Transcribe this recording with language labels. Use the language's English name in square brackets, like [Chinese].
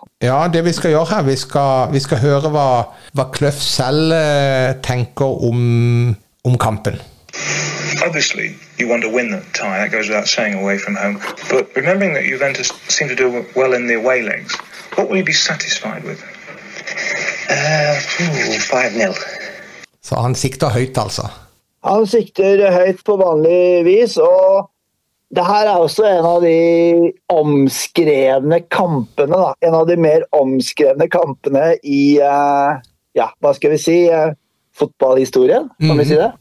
[Norwegian] Ja, det vi skal gjøre her, vi skal høre hva Kløff selv tenker om kampen. [English] Obviously, you want to win the tie. That goes without saying away from home. But remembering that Juventus seem to do well in the away legs, what will you be satisfied with? 5-0. [Norwegian] Så han sikter høyt, altså. Han sikter høyt på vanlig vis, og det her også en av de omskrevne kampene, da. En av de mer omskrevne kampene I, ja, hva skal vi si, fotballhistorien, kan vi si det?